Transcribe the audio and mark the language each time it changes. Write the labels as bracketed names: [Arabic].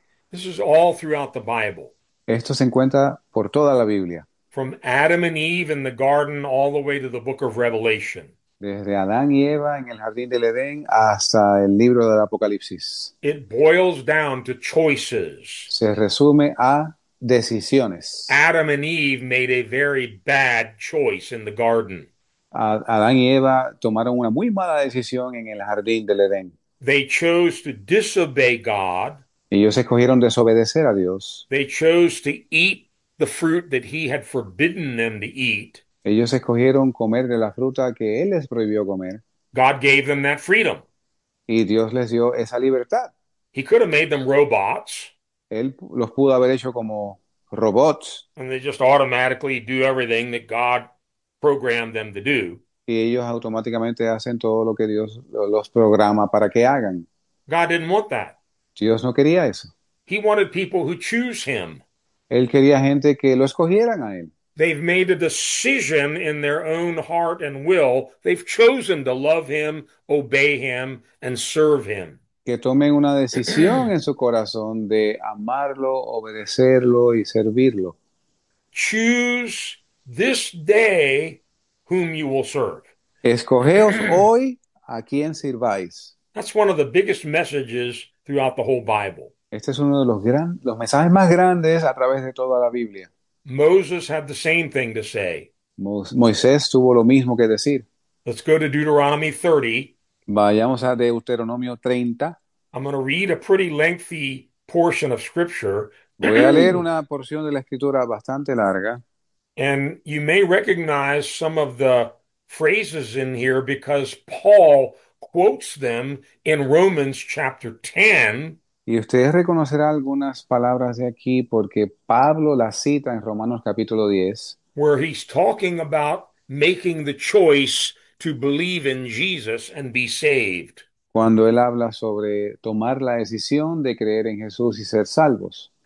[English] This is all throughout the Bible. [Spanish] Esto se encuentra por toda la Biblia. [English] From Adam and Eve in the garden all the way to the book of Revelation. [Spanish] Desde Adán y Eva en el jardín del Edén hasta el libro del Apocalipsis. [English] It boils down to choices. [Spanish] Se resume a decisiones. [English] Adam and Eve made a very bad choice in the garden. [Spanish] Adán y Eva tomaron una muy mala decisión en el jardín del Edén. [English] They chose to disobey God. [Spanish] Ellos escogieron desobedecer a Dios. [English] They chose to eat the fruit that he had forbidden them to eat. [Spanish] Ellos escogieron comer de la fruta que él les prohibió comer. [English] God gave them that freedom. [Spanish] Y Dios les dio esa libertad. [English] He could have made them robots, [Spanish] Él los pudo haber hecho como robots. [English] and they just automatically do everything that God programmed them to do. [Spanish] Y ellos automáticamente hacen todo lo que Dios los programa para que hagan. [English] God didn't want that. [Spanish] Dios no quería eso. [English] He wanted people who choose him. [Spanish] Él quería gente que lo escogieran a él. [English] They've made a decision in their own heart and will. They've chosen to love him, obey him, and serve [Spanish] Que tomen una decisión [English] him. [Spanish] en su corazón de amarlo, obedecerlo y servirlo. [English] Choose this day whom you will serve. [Spanish] Escogeos hoy a quien sirváis. [English] That's one of the biggest messages throughout the whole Bible. [Spanish] Este es uno de los mensajes más grandes a través de toda la Biblia. [English] Moses had the same thing to say. [Spanish] Moisés tuvo lo mismo que decir. [English] Let's go to Deuteronomy 30. [Spanish] Vayamos a Deuteronomio 30. [English] I'm going to read a pretty lengthy portion of scripture. [Spanish] Voy a leer una porción de la escritura bastante larga. [English] And you may recognize some of the phrases in here because Paul quotes them in Romans chapter 10. [Spanish] Y ustedes reconocerán algunas palabras de aquí porque Pablo las cita en Romanos capítulo 10. [English] Where he's talking about making the choice to believe in Jesus and be saved. [Spanish] Cuando él habla sobre tomar la decisión de creer en Jesús y ser salvos.